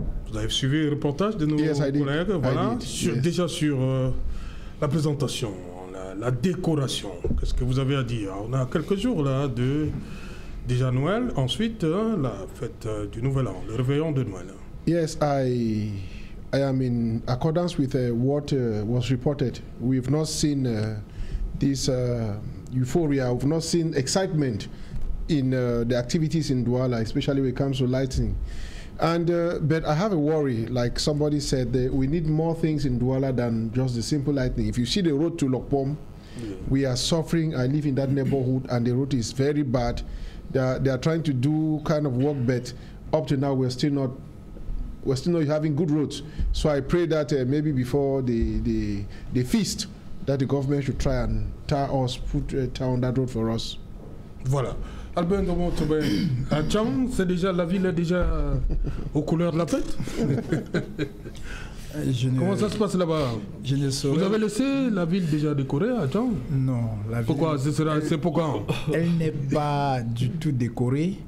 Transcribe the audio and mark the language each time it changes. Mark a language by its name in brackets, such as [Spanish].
[French] Vous avez suivi le reportage de nos collègues. Voilà, déjà sur la présentation, la décoration. Qu'est-ce que vous avez à dire? On a quelques jours là de... Déjà Noël, ensuite la fête du Nouvel An, le réveillon de Noël. [English] Yes, I am in accordance with what was reported. We have not seen this euphoria, we have not seen excitement in the activities in Douala, especially when it comes to lighting. And but I have a worry, like somebody said, that we need more things in Douala than just the simple lighting. If you see the road to Lokpom, we are suffering. I live in that neighborhood and the road is very bad. They are trying to do kind of work, but up to now we're still not having good roads. So I pray that maybe before the feast that the government should try and tie us, put tie on that road for us. [French] Voilà. Albert Ndomo-Tobin, à Tcham, c'est déjà la ville est déjà aux couleurs de la fête. Comment ça se passe là-bas? Je ne saurais. Vous avez laissé la ville déjà décorée à Tcham? Non, la ville. Pourquoi? C'est pourquoi? Elle n'est pas du tout décorée.